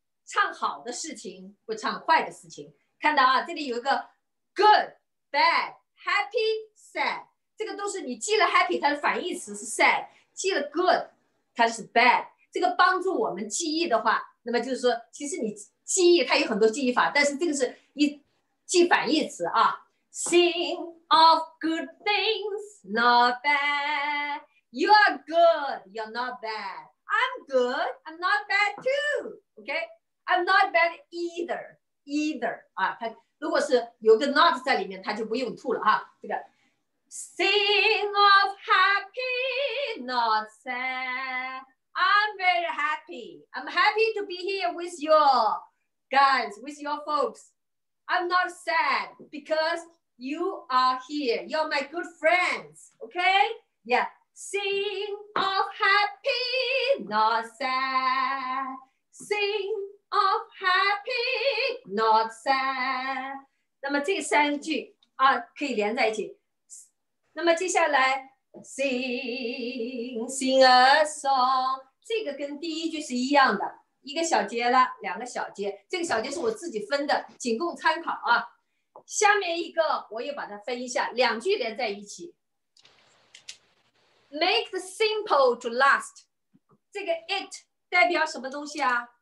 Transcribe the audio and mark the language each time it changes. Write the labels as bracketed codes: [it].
[zh] 唱好的事情，不唱坏的事情。看到啊，这里有一个 good, bad, happy, sad. 这个都是你记了 happy， 它的反义词是 sad； 记了 good， 它是 bad。这个帮助我们记忆的话，那么就是说，其实你记忆它有很多记忆法，但是这个是一记反义词啊。 [en] Sing of good things, not bad. You are good, you're not bad. I'm good, I'm not bad too. Okay, I'm not bad either. [zh] 啊，它如果是有个 not 在里面，它就不用吐了啊。 [en] 这个 sing of happy, not sad. I'm very happy. I'm happy to be here with you guys, with your folks. I'm not sad because you are here. You're my good friends. Okay, yeah. Sing of happy, not sad. Sing of happy, not sad. [zh] 那么这三句啊可以连在一起。那么接下来 ， sing a song，这个跟第一句是一样的，一个小节了，两个小节。这个小节是我自己分的，仅供参考啊。下面一个我也把它分一下，两句连在一起。 Make the simple to last，这个 it 代表什么东西啊？